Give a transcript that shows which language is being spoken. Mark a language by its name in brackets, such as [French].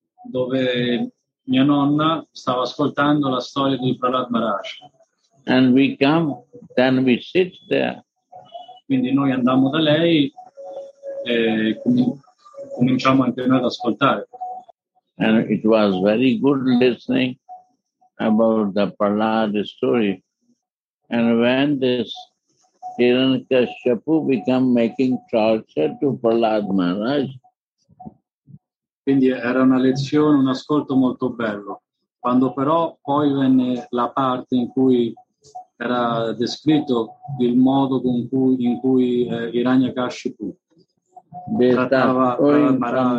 [Italian] Dove mia nonna stava ascoltando la storia di Prahlad Maharaj. [English] And we come, then we sit there. [Italian] Quindi noi andiamo da lei e cominciamo anche noi ad ascoltare. [English] And it was very good listening about the Prahlad story. And when this Hiranyakashipu became making torture to Prahlad Maharaj. [Italian] Quindi era una lezione, un ascolto molto bello. Quando però poi venne la parte in cui era descritto il modo con cui, in cui Hiranyakashipu trattava Prahlad Maharaj,